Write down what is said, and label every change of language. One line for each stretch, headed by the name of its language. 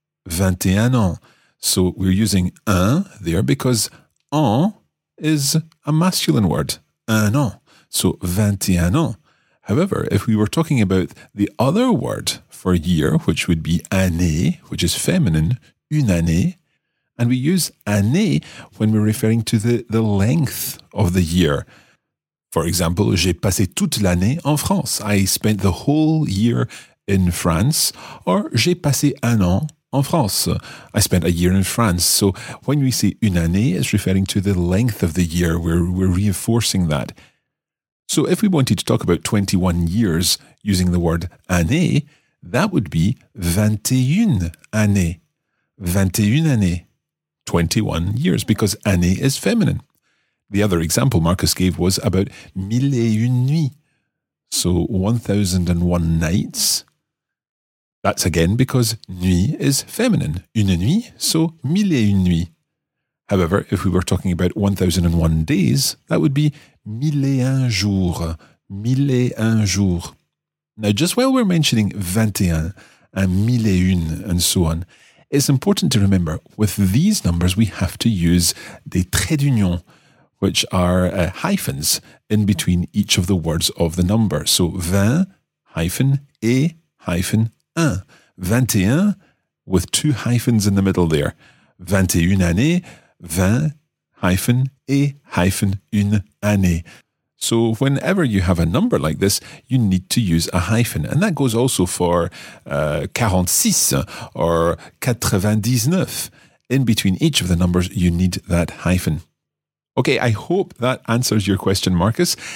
French: 21 ans.
English: So we're using un there because en is a masculine word.
French: Un an.
English: So
French: 21 ans.
English: However, if we were talking about the other word for year, which would be année, which is feminine,
French: une année,
English: and we use année when we're referring to the length of the year.
French: For example, j'ai passé toute l'année en France.
English: I spent the whole year in France.
French: Or j'ai passé un an en France.
English: I spent a year in France. So when we say
French: une année,
English: it's referring to the length of the year. We're reinforcing that. So if we wanted to talk about 21 years using the word année, that would be
French: 21 années. 21 années.
English: 21 years, because année is feminine. The other example Marcus gave was about
French: mille et une nuits.
English: So 1001 nights. That's again because nuit is feminine.
French: Une nuit, so mille et une nuits.
English: However, if we were talking about 1001 days, that would be
French: mille et un jours. Mille et un jours.
English: Now, just while we're mentioning 21 and
French: mille et une
English: and so on, it's important to remember with these numbers, we have to use
French: des traits d'union,
English: which are hyphens in between each of the words of the number. So 20 hyphen et hyphen 1. 21 with two hyphens in the middle there.
French: 21 années,
English: 20 hyphen et hyphen
French: une année.
English: So whenever you have a number like this, you need to use a hyphen. And that goes also for 46 or 99. In between each of the numbers, you need that hyphen. Okay, I hope that answers your question, Marcus.